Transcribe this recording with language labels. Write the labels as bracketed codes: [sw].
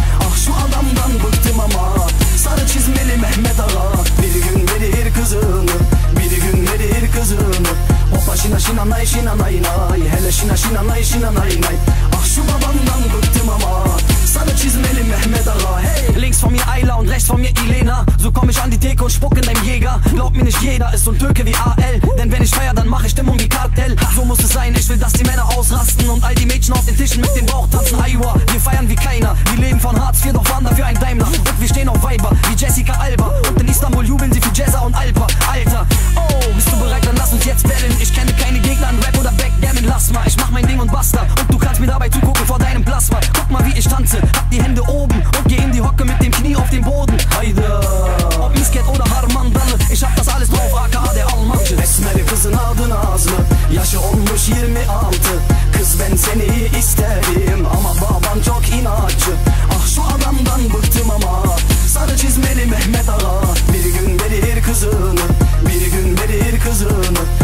[tr] Ah şu adamdan bıktım ama. Sarı çizmeli Mehmet Ağa. Bir gün verir kızını. Bir gün verir kızını. Hoppa şina şina nay şina nay nay. Hele şina şina nay şina nay nay. Ah şu babamdan bıktım ama. Sarı çizmeli Mehmet Ağa. Hey! [de] Links von mir Ayla und rechts von mir Elena. So komm ich an die Theke und spuck in deinem Jäger. Glaub mir nicht jeder ist so ein Türke wie AL. Denn wenn ich feier, dann mach ich Stimmung wie Kartell. So muss es sein, ich will, dass die Männer ausrasten. Und all die Mädchen auf den Tischen mit dem Bauch tanzen. Aiwa, wir feiern wie keiner. Wir leben von Hartz IV, doch waren dafür ein Daimler. Und wir stehen auf Viber wie Jessica Alba. Und in Istanbul jubeln sie für Jazza und Alpa. Alter, oh, bist du bereit, dann lass uns jetzt battlen. Ich kenne keine Gegner an Rap oder Backgammon. Lass mal, ich mach mein Ding und basta. Und du kannst mir dabei zugucken vor deinem Plasma. Guck mal, wie ich tanze, hab die Hände oben. Und geh in die Hocke mit dem Knie auf den Boden. Heide, ob Misket oder Harman Dalle. Ich hab das alles drauf, aka der Allmann. [tr] Esmeri kızın adın ağzını. Yaşı olmuş 26. Kız ben seni isterim. Ama baban çok inatçı. Ah şu adamdan bıktım ama. Sarı çizmeli Mehmet Ağa. Bir gün verir kızını. Bir gün verir kızını.